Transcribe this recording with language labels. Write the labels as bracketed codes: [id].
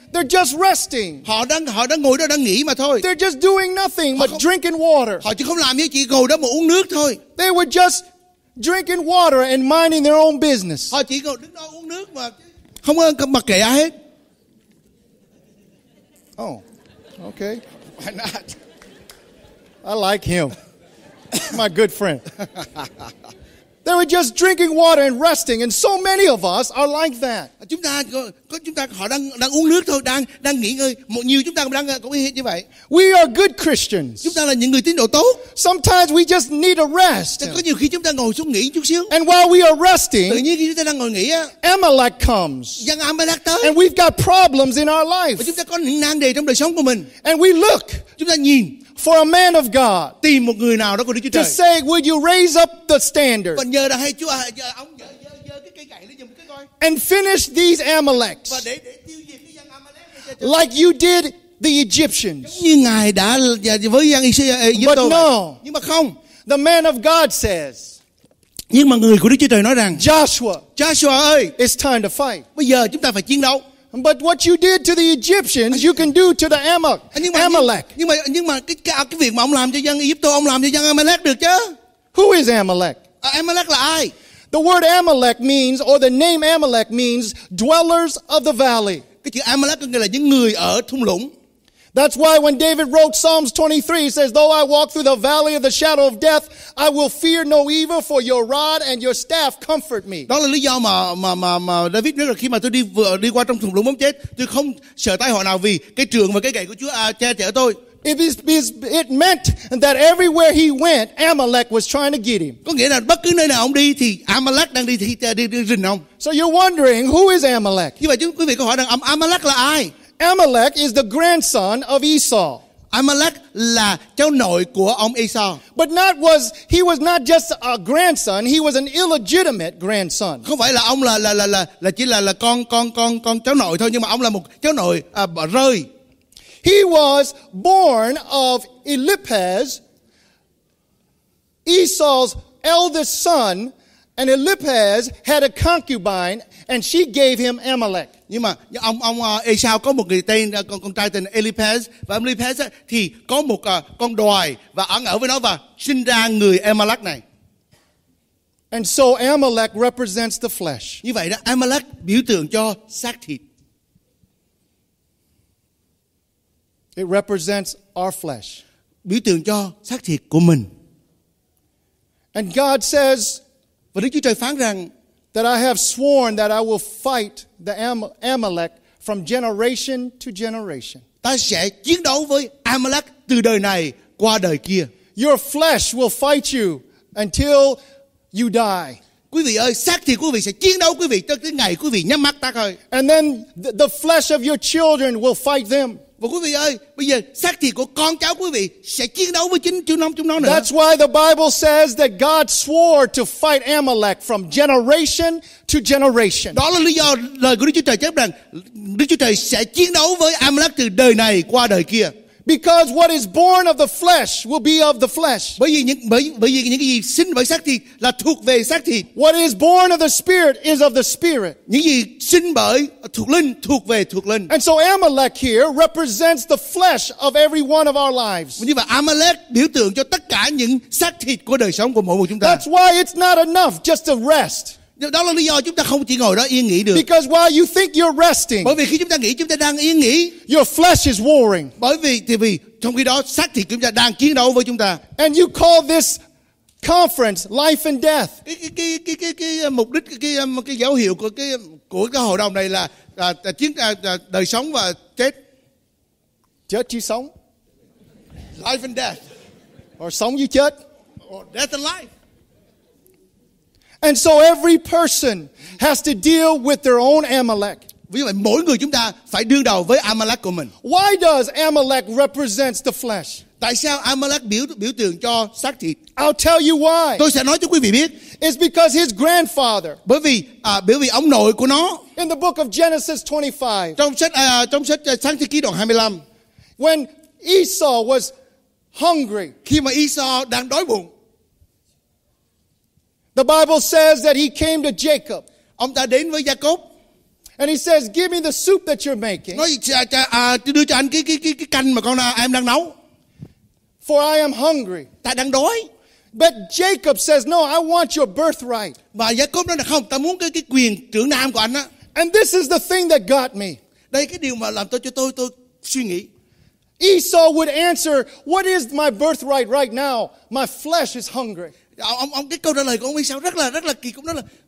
[en] They're just resting. [vi] Họ đang ngồi đó đang nghỉ mà thôi. [en] They're just doing nothing but drinking water. [vi] Họ chỉ không làm gì, chỉ ngồi đó mà uống nước thôi. [en] They were just drinking water and minding their own business. [vi] Họ chỉ ngồi đứng đó uống nước mà không có mặc kệ ai hết. [en] Oh, okay. Why not? I like him. My good friend. They were just drinking water and resting, and so many of us are like that. [vi] chúng ta có chúng ta họ đang đang uống nước thôi, đang đang nghỉ ngơi. Một nhiều chúng ta đang cũng như vậy. [en] We are good Christians. [vi] Chúng ta là những người tín đồ tốt. [en] Sometimes we just need a rest. [vi] Có nhiều khi chúng ta ngồi xuống nghỉ chút xíu. [en] And while we are resting, [vi] tự nhiên khi chúng ta đang ngồi nghỉ, [en] Amalek comes. [vi] Dân Amalek tới. [en] And we've got problems in our life. [vi] Và chúng ta có những nan đề trong đời sống của mình. [en] And we look. [vi] Chúng ta nhìn. [en] For a man of God, [vi] tìm một người nào đó của Đức Chúa Trời. [en] To say, would you raise up the standard? [vi] Và nhờ là hay Chúa, ông dơ cái cây gậy lên giùm cái coi. [en] And finish these Amaleks. [vi] Và để tiêu diệt cái dân Amalek. [en] Like you did the Egyptians. [vi] Như ngài đã với dân Egypto. [en] But no. [vi] Nhưng mà không. [en] The man of God says. [vi] Nhưng mà người của Đức Chúa Trời nói rằng. [en] Joshua. [vi] Joshua ơi. [en] It's time to fight. [vi] Bây giờ chúng ta phải chiến đấu. [en] But what you did to the Egyptians, you can do to the Amalek. [vi] Nhưng mà cái việc mà ông làm cho dân Ai Cập, ông làm cho dân Amalek được chứ? [en] Who is Amalek? [vi] Amalek là ai? [en] The word Amalek means, or the name Amalek means, dwellers of the valley. [vi] Cái chữ Amalek có nghĩa là những người ở thung lũng. [en] That's why when David wrote Psalms 23, he says, though I walk through the valley of the shadow of death, I will fear no evil, for your rod and your staff comfort me. [vi] Đó là lý do mà David nói là khi mà tôi đi qua trong thung lũng bóng chết, tôi không sợ tai họa nào vì cái trường và cái gậy của Chúa che chở tôi. [en] It meant that everywhere he went, Amalek was trying to get him. [vi] Có nghĩa là bất cứ nơi nào ông đi thì Amalek đang đi rình ông. [en] So you're wondering, who is Amalek? [vi] Như vậy quý vị có hỏi rằng Amalek là ai? [en] Amalek is the grandson of Esau. [vi] Amalek là cháu nội của ông Esau. [en] But not was he was not just a grandson, he was an illegitimate grandson. [vi] Không phải là ông là chỉ là con cháu nội thôi, nhưng mà ông là một cháu nội rơi. [en] He was born of Eliphaz, Esau's eldest son, and Eliphaz had a concubine and she gave him Amalek. [vi] Nhưng mà ông Esau có một người tên con trai tên Eliphaz, và Eliphaz thì có một con đòi và ăn ở với nó và sinh ra người Amalek này. [en] And so Amalek represents the flesh. [vi] Như vậy đó, Amalek biểu tượng cho xác thịt. [en] It represents our flesh. [vi] Biểu tượng cho xác thịt của mình. [en] And God says, [vi] và Đức Chúa Trời phán rằng, [en] that I have sworn that I will fight the Amalek from generation to generation. [vi] Ta sẽ chiến đấu với Amalek từ đời này qua đời kia. [en] Your flesh will fight you until you die. [vi] Quý vị ơi, xác thịt quý vị sẽ chiến đấu quý vị cho tới ngày quý vị nhắm mắt ta thôi. [en] And then the flesh of your children will fight them. [vi] Và quý vị ơi, bây giờ xác thịt của con cháu quý vị sẽ chiến đấu với chúng nó nữa. [en] That's why the Bible says that God swore to fight Amalek from generation to generation. [vi] Đó là lý do lời của Đức Chúa Trời chép rằng Đức Chúa Trời sẽ chiến đấu với Amalek từ đời này qua đời kia. [en] Because what is born of the flesh will be of the flesh. [vi] Bởi vì những cái gì sinh bởi xác thịt là thuộc về xác thịt. [en] What is born of the spirit is of the spirit. [vi] Những gì sinh bởi thuộc linh thuộc về thuộc linh. [en] And so Amalek here represents the flesh of every one of our lives. [vi] Như vậy Amalek biểu tượng cho tất cả những xác thịt của đời sống của mỗi một chúng ta. [en] That's why it's not enough just to rest. [vi] Đó là lý do chúng ta không chỉ ngồi đó yên nghỉ được. [en] Because while you think you're resting, [vi] bởi vì khi chúng ta nghĩ chúng ta đang yên nghỉ, [en] your flesh is warring. [vi] Bởi vì trong khi đó xác thịt chúng ta đang chiến đấu với chúng ta. [en] And you call this conference life and death. [vi] Cái mục đích cái dấu hiệu của cái hội đồng này là đời sống và chết. Chết chứ sống. [en] Life and death. [vi] Or sống chứ chết. [en] Or death and life. And so every person has to deal with their own Amalek. [vi] Vì vậy mỗi người chúng ta phải đương đầu với Amalek của mình. [en] Why does Amalek represents the flesh? [vi] Tại sao Amalek biểu tượng cho xác thịt? [en] I'll tell you why. [vi] Tôi sẽ nói cho quý vị biết. [en] It's because his grandfather. [vi] Bởi vì ông nội của nó. [en] In the book of Genesis 25. [vi] Trong sách Sáng Thế Ký đoạn 25. [en] When Esau was hungry. [vi] Khi mà Esau đang đói bụng. [en] The Bible says that he came to Jacob. [vi] Ông ta đến với Jacob. [en] And he says, "Give me the soup that you're making." [vi] Nói đưa cho anh cái canh mà em đang nấu. [en] For I am hungry. [vi] Ta đang đói. [en] But Jacob says, "No, I want your birthright." [vi] Và Jacob nói là không, ta muốn cái quyền trưởng nam của anh á. [en] And this is the thing that got me. [vi] Đây cái điều mà làm cho tôi suy nghĩ. [en] Esau would answer, "What is my birthright right now? My flesh is hungry." [vi] Ông cái câu trả lời của ông Esau rất là kỳ, cũng nói là